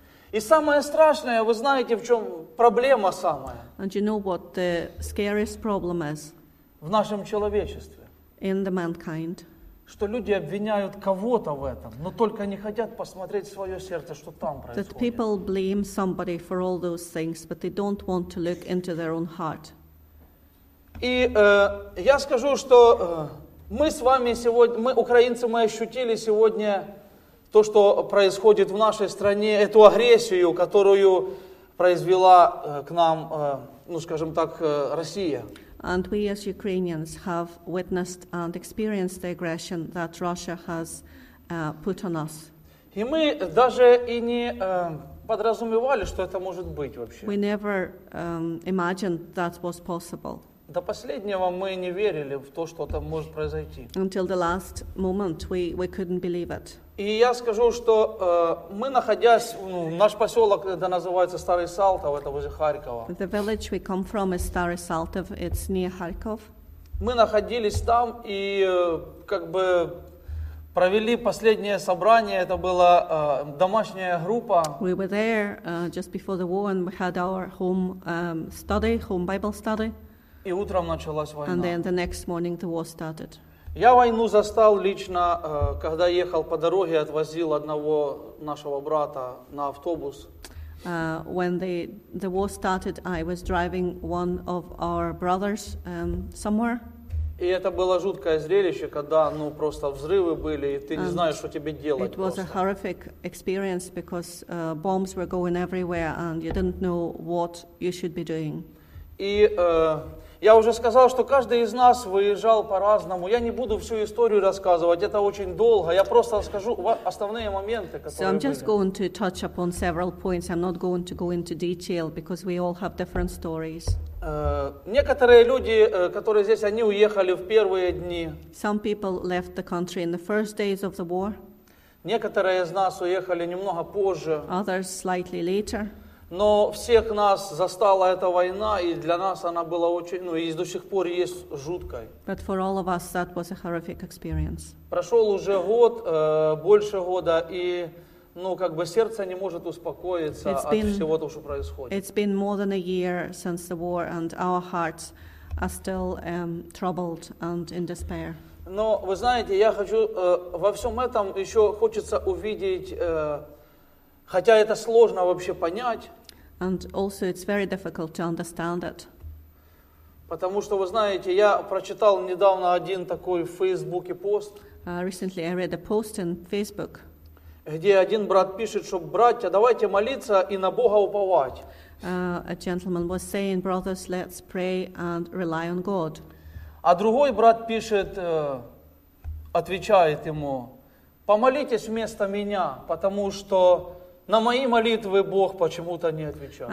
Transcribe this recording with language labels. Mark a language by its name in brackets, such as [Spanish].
[Russian] И самое страшное, вы знаете, в чем проблема самая? [English] And you know what the scariest problem is? [Russian] В нашем человечестве. [English] In the mankind. [Russian] Что люди обвиняют кого-то в этом, но только не хотят посмотреть свое сердце, что там происходит. [English] That people blame somebody for all those things, but they don't want to look into their own heart. [Russian] И я скажу, что Мы с вами сегодня, мы украинцы, мы ощутили сегодня то, что происходит в нашей стране, эту агрессию, которую произвела к нам, ну скажем так, Россия. [English] And we as Ukrainians have witnessed and experienced the aggression that Russia has put on us. [Russian] И мы даже и не подразумевали, что это может быть вообще. [English] We never imagined that was possible. [Russian] До последнего мы не верили в то, что там может произойти. [English] Until the last moment, we couldn't believe it. [Russian] И я скажу, что мы находясь, ну, наш поселок, это называется Старый Салтов, это возле Харькова. [English] The village we come from is Starý Saltov. It's near Kharkov. [Russian] Мы находились там и как бы провели последнее собрание. Это была домашняя группа. [English] We were there just before the war, and we had our home study, home Bible study. [Russian] И утром началась война. [English] And then the next morning the war started. [Russian] Я войну застал лично, когда ехал по дороге, отвозил одного нашего брата на автобус. [English] When the war started, I was driving one of our brothers somewhere. [Russian] И это было жуткое зрелище, когда, ну, просто взрывы были, и ты не знаешь, что тебе делать. [English] It was [Russian] просто [English] a horrific experience because bombs were going everywhere and you didn't know what you should be doing. [Russian] И я уже сказал, что каждый из нас выезжал по-разному. Я не буду всю историю рассказывать, это очень долго. Я просто расскажу основные моменты, которые были. [English] So I'm just going to touch upon several points. I'm not going to go into detail because we all have different stories. [Russian] Некоторые люди, которые здесь, они уехали в первые дни. [English] Some people left the country in the first days of the war. [Russian] Некоторые из нас уехали немного позже. [English] Others slightly later. [Russian] Но всех нас застала эта война, и для нас она была очень, ну, и до сих пор есть жуткой. [English] But for all of us that was a horrific experience. [Russian] Прошел уже год, больше года, и, ну, как бы сердце не может успокоиться от всего того, что происходит. [English] It's been more than a year since the war, and our hearts are still troubled and in despair. [Russian] Но, вы знаете, я хочу во всем этом еще хочется увидеть хотя это сложно вообще понять. [English] And also it's very difficult to understand it. [Russian] Потому что, вы знаете, я прочитал недавно один такой в Фейсбуке пост. [English] Recently I read a post in Facebook. [Russian] Где один брат пишет, что братья, давайте молиться и на Бога уповать. [English] A gentleman was saying, brothers, let's pray and rely on God. [Russian] А другой брат пишет, отвечает ему, помолитесь вместо меня, потому что на мои молитвы Бог почему-то не отвечает.